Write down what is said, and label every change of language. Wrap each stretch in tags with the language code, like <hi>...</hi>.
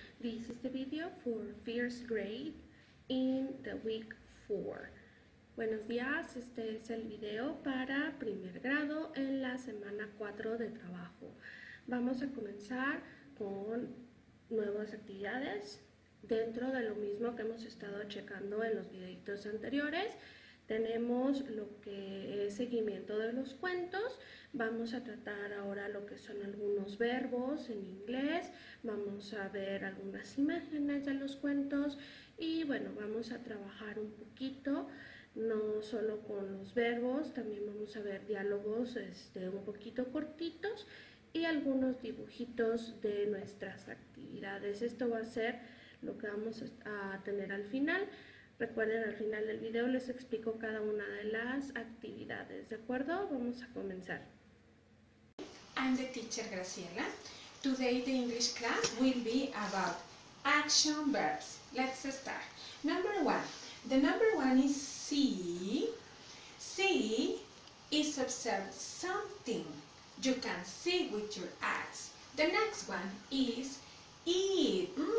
<en>This is the video for first grade in the week 4.</en> <es>Buenos días, este es el video para primer grado en la semana 4 de trabajo. Vamos a comenzar con nuevas actividades dentro de lo mismo que hemos estado checando en los videitos anteriores. Tenemos lo que es seguimiento de los cuentos. Vamos a tratar ahora lo que son algunos verbos en inglés. Vamos a ver algunas imágenes de los cuentos. Y bueno, vamos a trabajar un poquito, no solo con los verbos, también vamos a ver diálogos un poquito cortitos y algunos dibujitos de nuestras actividades. Esto va a ser lo que vamos a tener al final. Recuerden, al final del video les explico cada una de las actividades, ¿de acuerdo? Vamos a comenzar.</es> <en>I'm the teacher, Graciela. Today the English class will be about action verbs. Let's start. Number one. The number one is see. See is observe something. You can see with your eyes. The next one is eat.</en>